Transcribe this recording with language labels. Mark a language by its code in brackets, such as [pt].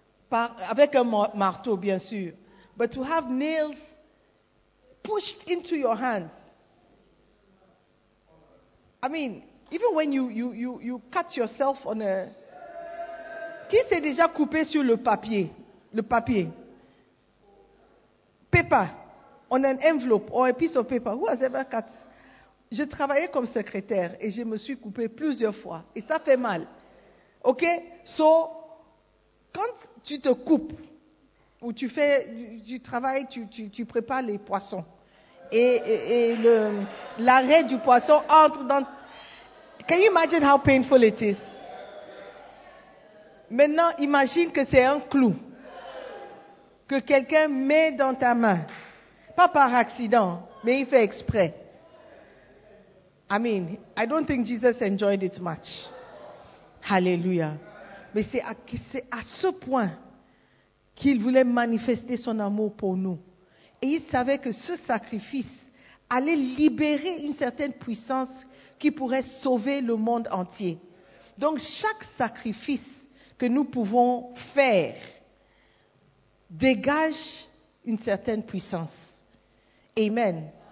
[fr] Avec un marteau, bien sûr. [en] But to have nails pushed into your hands. I mean, even when you cut yourself on a... [fr] Qui s'est déjà coupé sur le papier? Le papier. [en] Paper. On an envelope or a piece of paper. Who has ever cut? [fr] Je travaillais comme secrétaire et je me suis coupée plusieurs fois. Et ça fait mal. OK? So, quand tu te coupes ou tu fais du travail, tu prépares les poissons. Et l'arrêt du poisson entre dans... [en] Can you imagine how painful it is? [fr] Maintenant, imagine que c'est un clou que quelqu'un met dans ta main. Pas par accident, mais il fait exprès. [en] I mean, I don't think Jesus enjoyed it much. Hallelujah. [fr] Mais c'est à ce point qu'il voulait manifester son amour pour nous. Et il savait que ce sacrifice allait libérer une certaine puissance qui pourrait sauver le monde entier. Donc chaque sacrifice que nous pouvons faire dégage une certaine puissance. Amen.